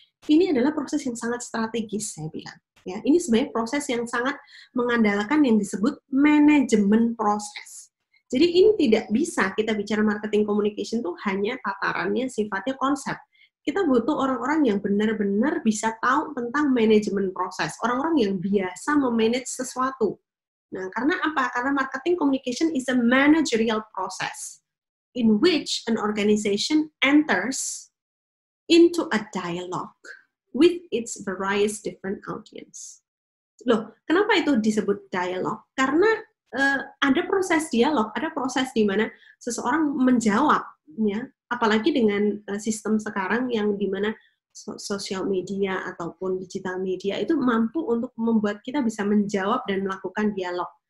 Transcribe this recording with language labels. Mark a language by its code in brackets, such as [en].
[id] Ini adalah proses yang sangat strategis, saya bilang. Ya, ini sebenarnya proses yang sangat mengandalkan yang disebut manajemen proses. Jadi ini tidak bisa kita bicara marketing communication itu hanya tatarannya sifatnya konsep. Kita butuh orang-orang yang benar-benar bisa tahu tentang manajemen proses. Orang-orang yang biasa memanage sesuatu. Nah, karena apa? [en] Karena marketing communication is a managerial process in which an organization enters into a dialogue with its various different audience. [id] Loh, kenapa itu disebut dialogue? Karena ada proses dialog, ada proses di mana seseorang menjawabnya, apalagi dengan sistem sekarang yang di mana sosial media ataupun digital media itu mampu untuk membuat kita bisa menjawab dan melakukan dialog.